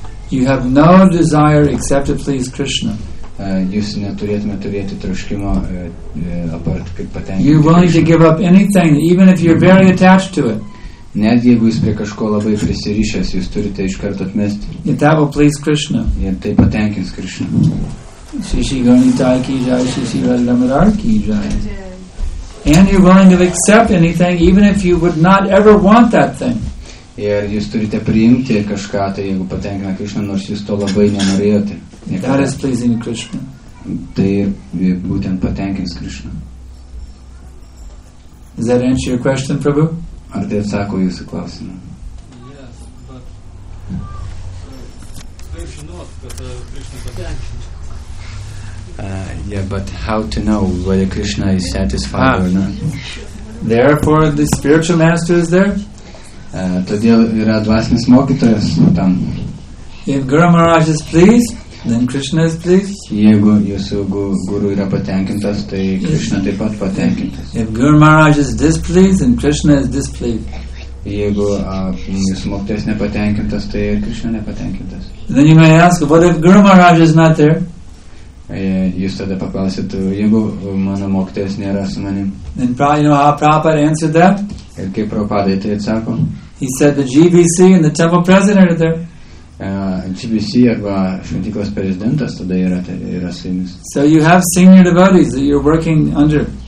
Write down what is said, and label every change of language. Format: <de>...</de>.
<en>You have no desire except to please Krishna.</en> <lt>Jūs neturėtume turėti troškimo apart kaip patenkinti.</lt> <en>You're willing to give up anything, even if you're very attached to it.</en> <lt>Net jeigu jūs prie kažko labai prisirišęs, jūs turite iš karto atmesti.</lt> <en>If that will please Krishna.</en> <lt>Ir tai patenkins Krishna. Shishi ganita ki jai, shishi radamadar ki jai.</lt> <en>And you're willing to accept anything, even if you would not ever want that thing.</en> <lt>Ir jūs turite priimti kažką, tai jeigu patenkina Krishna, nors jūs to labai nenorėjote.</lt> <en>That is pleasing to Krishna.</en> <lt>Tai būtent patenkins Krishna.</lt> <en>Does that answer your question, Prabhu?</en> <lt>Ar tai atsako jūsų klausimą?</lt> <en>Yes, but</en> <lt>kaip žinot, kad Krishna patenkins?</lt> <en>Yeah, but how to know whether Krishna is satisfied or not? Therefore, the spiritual master is there?</en> <lt>Todėl yra dvasinis mokytojas tam.</lt> <en>If Guru Maharaj is pleased, then Krishna is pleased.</en> <lt>Jeigu jūsų guru yra patenkintas, tai Krishna taip pat patenkintas.</lt> <en>If Guru Maharaj is displeased, then Krishna is displeased.</en> <lt>Jeigu jūsų mokytojas nepatenkintas, tai ir Krishna nepatenkintas.</lt> <en>Then you may ask, what if Guru Maharaj is not there?</en> <lt>Jūs tada paklausit, jeigu mano mokytojas nėra su manim.</lt> <en>Then probably you know how Prabhupada answered that?</en> <lt>Ir kaip Prabhupada tai atsako?</lt> <en>He said the GBC and the temple president are there.</en> <lt>GBC arba šventyklos prezidentas tada yra su jumis.</lt> <en>So you have senior devotees that you're working under.</en>